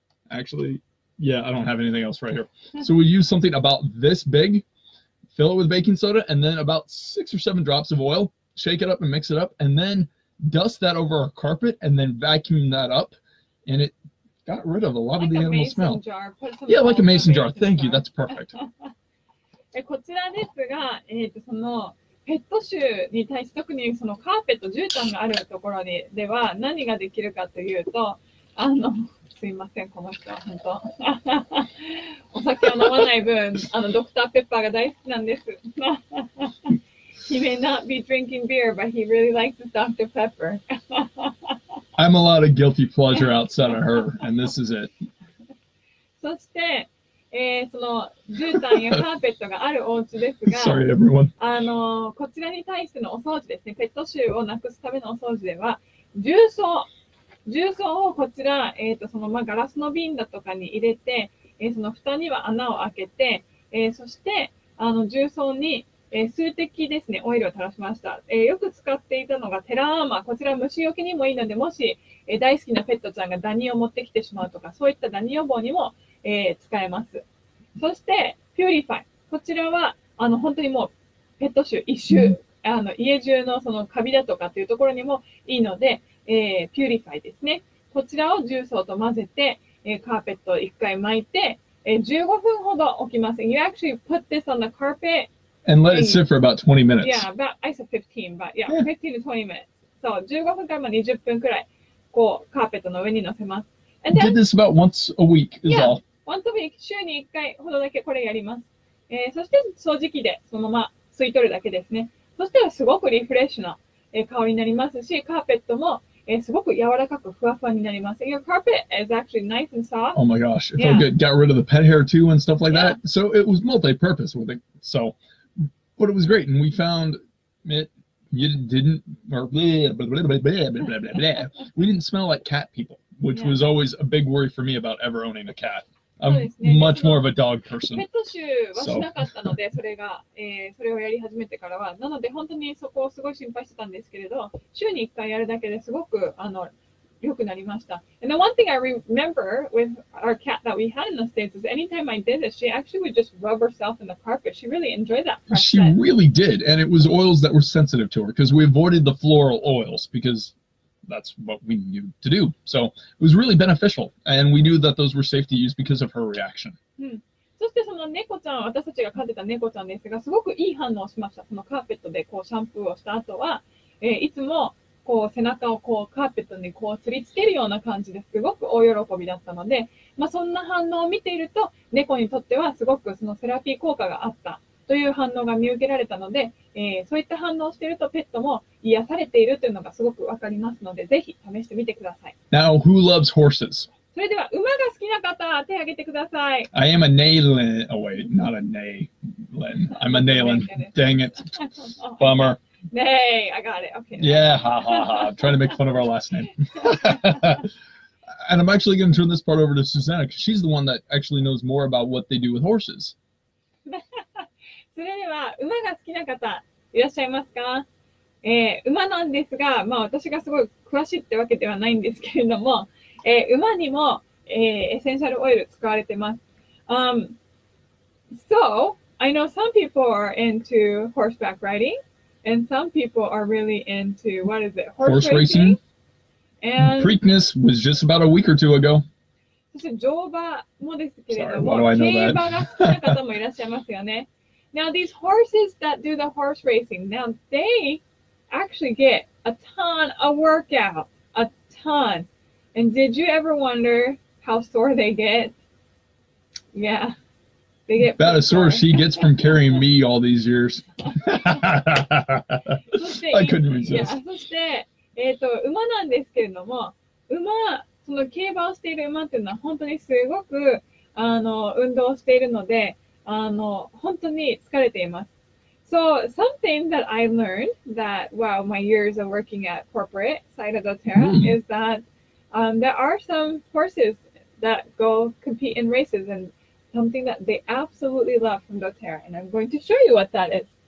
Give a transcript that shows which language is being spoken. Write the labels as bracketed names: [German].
[English] Actually, yeah, I don't have anything else right here. So we use something about this big, fill it with baking soda, and then about six or seven drops of oil, shake it up and mix it up, and then dust that over our carpet and then vacuum that up. And it got rid of a lot of the animal smell. Like a mason jar. Yeah, like a mason jar. Thank you. That's perfect. [Japanese] こちらですが、そのペット臭に対して特にそのカーペット、絨毯があるところにでは何ができるかというと、すいません、この人は本当。お酒を飲まない分、ドクターペッパーが大好きなんです。 [English] He may not be drinking beer, but he really likes Dr. Pepper. I'm a lot of guilty pleasure outside of her, and this is it. [Japanese] そして、その絨毯やカーペットがあるお家ですが、 [English] Sorry, everyone. [Japanese] こちらに対してのお掃除ですね、ペット臭をなくすためのお掃除では、重曹をこちら、ガラスの瓶だとかに入れて、その蓋には穴を開けて、そして重曹に数滴ですね、オイルを垂らしました。よく使っていたのがテラアーマー。こちら虫除けにもいいので、もし、大好きなペットちゃんがダニを持ってきてしまうとか、そういったダニ予防にも、使えます。そして、ピューリファイ。こちらは、本当にもう、ペット臭一周、家中のそのカビだとかっていうところにもいいので、ピューリファイですね。こちらを重曹と混ぜて、カーペットを一回巻いて、15分ほど置きます。 [English] You actually put this on the carpet. And let it sit for about 20 minutes. Yeah, but I said 15, but yeah, 15 to 20 minutes. [Japanese] So 15分から20分くらい、こう、カーペットの上に乗せます。 [English] And then, did this about once a week, is yeah, all. Yeah, once a week, [Japanese] 週に1回ほどだけこれやります。そして掃除機でそのまま吸い取るだけですね。そしたらすごくリフレッシュな、香りになりますし、カーペットも、すごく柔らかくふわふわになります。 [English] Your carpet is actually nice and soft. Oh my gosh, it felt good. Got rid of the pet hair too and stuff like that. So it was multi-purpose with it, so... But it was great, and we found it, you didn't, or blah, blah, blah, blah, blah, blah, blah, blah, blah. We didn't smell like cat people, which was always a big worry for me about ever owning a cat. I'm much more of a dog person. [Japanese] ペット臭はしなかったので、それが、それをやり始めてからは。なので、本当にそこをすごい心配してたんですけれど、週に1回やるだけですごく、良くなりました。 [English] And the one thing I remember with our cat that we had in the States is anytime I did it, she actually would just rub herself in the carpet. She really enjoyed that process. She really did. And it was oils that were sensitive to her because we avoided the floral oils because that's what we knew to do. So it was really beneficial. And we knew that those were safe to use because of her reaction.、 [Japanese] そしてその猫ちゃん、私たちが飼ってた猫ちゃんですが、すごくいい反応をしました。そのカーペットでこうシャンプーをした後は、いつもこう背中をこうカーペットにこうすりつけるような感じですごく大喜びだったので、まあ、そんな反応を見ていると猫にとってはすごくそのセラピー効果があったという反応が見受けられたので、そういった反応をしているとペットも癒されているというのがすごくわかりますのでぜひ試してみてください。 [English] Now, who loves horses? [Japanese] それでは馬が好きな方手を挙げてください。 [English] I am a Neylin. Oh wait, not a Neylin. I'm a Neylin. Dang it. Bummer Nay, I got it. Okay. Yeah, ha ha ha. Trying to make fun of our last name. And I'm actually going to turn this part over to Susanna, because she's the one that actually knows more about what they do with horses. [Japanese] それでは、馬が好きな方、いらっしゃいますか？馬なんですが、まあ私がすごい詳しいってわけではないんですけれども、馬にも、エッセンシャルオイル使われてます。 [English] So, I know some people are into horseback riding. And some people are really into, what is it, horse racing? And Preakness was just about a week or two ago. [Japanese] そして乗馬もですけれども、 [English] Sorry, why do I know that? [Japanese] 競馬が好きな方もいらっしゃいますよね。 [English] Now, these horses that do the horse racing, now they actually get a ton of workout, a ton. And did you ever wonder how sore they get? Yeah. About as sore as she gets from carrying me all these years. I couldn't resist. [Japanese] そして、馬なんですけれども、馬、その競馬をしている馬というのは本当にすごく運動しているので、本当に疲れています。 [English] So something that I learned that while my years of working at corporate side of doTERRA is that there are some horses that go compete in races andSomething that they absolutely love from doTERRA, and I'm going to show you what that is.